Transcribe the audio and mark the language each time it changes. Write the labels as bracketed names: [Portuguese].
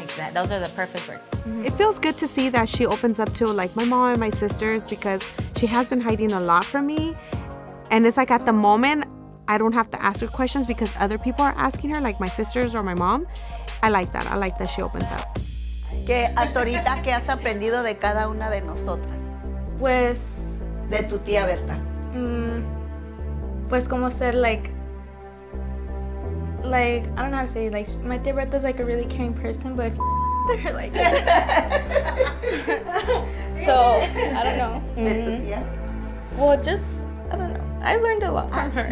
[English] Exactly. Those are the perfect words. Mm-hmm. It feels good to see that she opens up to, like, my mom and my sisters because she has been hiding a lot from me. And it's like at the moment, I don't have to ask her questions because other people are asking her, like my sisters or my mom. I like that. I like that she opens up. [Spanish] ¿Qué hasta ahorita qué has aprendido de cada una de nosotras? Pues... De tu tía Berta. Pues como ser, [English] like, I don't know how to say it. Like, my tía Berta is like a really caring person, but if you they're like... So, I don't know. [Spanish] De tu tía? [English] Well, just, I don't know. I learned a lot from her.